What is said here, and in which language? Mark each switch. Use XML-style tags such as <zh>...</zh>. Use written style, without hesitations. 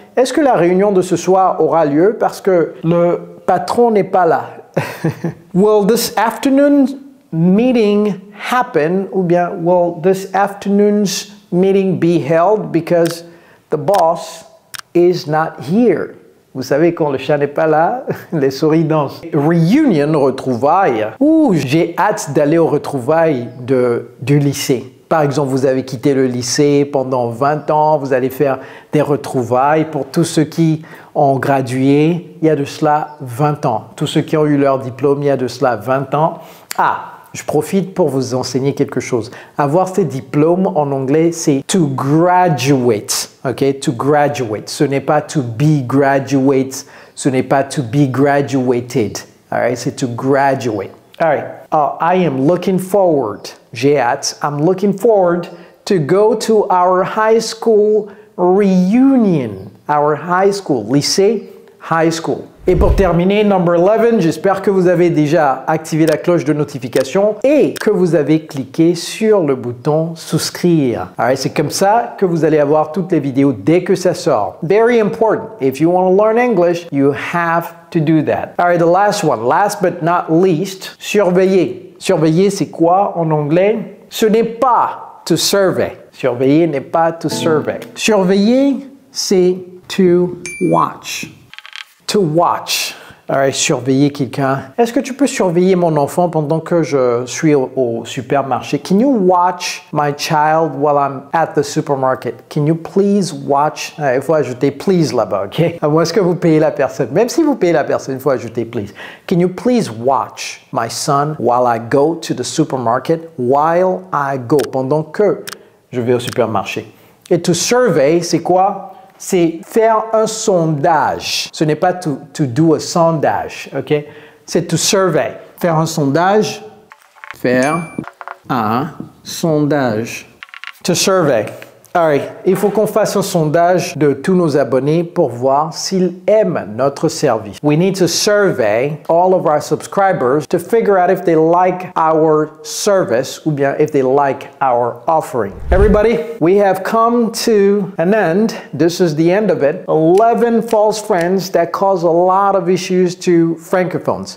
<fr>Est-ce que la réunion de ce soir aura lieu parce que le patron n'est pas là?</fr> <en>Will this afternoon's meeting happen?</en> <fr>Ou bien,</fr> <en>will this afternoon's meeting be held because the boss is not here?</en> <fr>Vous savez, quand le chat n'est pas là, les souris dansent. Reunion, retrouvailles. Ouh, j'ai hâte d'aller aux retrouvailles du lycée. Par exemple, vous avez quitté le lycée pendant 20 ans, vous allez faire des retrouvailles pour tous ceux qui ont gradué il y a de cela 20 ans. Tous ceux qui ont eu leur diplôme il y a de cela 20 ans. Ah, je profite pour vous enseigner quelque chose. Avoir ces diplômes en anglais, c'est to graduate. Ok, to graduate. Ce n'est pas to be graduate. Ce n'est pas to be graduated. All right, c'est to graduate. All right.</fr> <en>I am looking forward.</en> <fr>J'ai hâte.</fr> <en>I'm looking forward to go to our high school reunion. Our high school. Lycée, high school.</en> <fr>Et pour terminer, number 11, j'espère que vous avez déjà activé la cloche de notification et que vous avez cliqué sur le bouton souscrire. All right, c'est comme ça que vous allez avoir toutes les vidéos dès que ça sort.</fr> <en>Very important. If you want to learn English, you have to do that. All right, the last one. Last but not least, surveiller.</en> <fr>Surveiller, c'est quoi en anglais? Ce n'est pas to survey. Surveiller n'est pas to survey. Surveiller, c'est</fr> <en>To watch. To watch. All right,</en> <fr>surveiller quelqu'un. Est-ce que tu peux surveiller mon enfant pendant que je suis au supermarché?</fr> <en>Can you watch my child while I'm at the supermarket? Can you please watch?</en> <fr>Il faut ajouter please là-bas,</fr> <en>ok?</en> <fr>Ou est-ce que vous payez la personne? Même si vous payez la personne, il faut ajouter please.</fr> <en>Can you please watch my son while I go to the supermarket? While I go,</en> <fr>pendant que je vais au supermarché. Et to survey, c'est quoi? C'est faire un sondage. Ce n'est pas to do a sondage, ok? C'est to survey. Faire un sondage. Faire un sondage. To survey. All right. Il faut qu'on fasse un sondage de tous nos abonnés pour voir s'ils aiment notre service.</fr> <en>We need to survey all of our subscribers to figure out if they like our service</en> <fr>ou bien</fr> <en>if they like our offering. Everybody, we have come to an end. This is the end of it. 11 false friends that cause a lot of issues to francophones.</en>